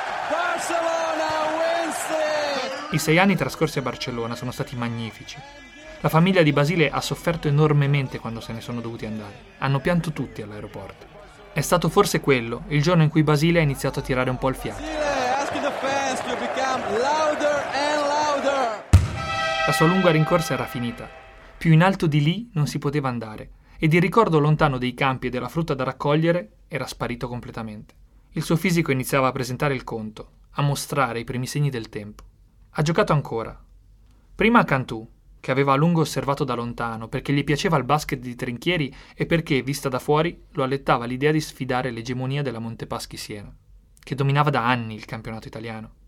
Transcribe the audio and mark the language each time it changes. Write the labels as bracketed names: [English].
[English] Barcelona wins it! [Italian] I 6 anni trascorsi a Barcellona sono stati magnifici. La famiglia di Basile ha sofferto enormemente quando se ne sono dovuti andare. Hanno pianto tutti all'aeroporto. È stato forse quello il giorno in cui Basile ha iniziato a tirare un po' il fiato. [English] Basile, asking the fans to become louder and louder. [Italian] La sua lunga rincorsa era finita. Più in alto di lì non si poteva andare. Ed il ricordo lontano dei campi e della frutta da raccogliere era sparito completamente. Il suo fisico iniziava a presentare il conto, a mostrare i primi segni del tempo. Ha giocato ancora. Prima a Cantù, che aveva a lungo osservato da lontano, perché gli piaceva il basket di Trinchieri e perché, vista da fuori, lo allettava l'idea di sfidare l'egemonia della Montepaschi Siena, che dominava da anni il campionato italiano.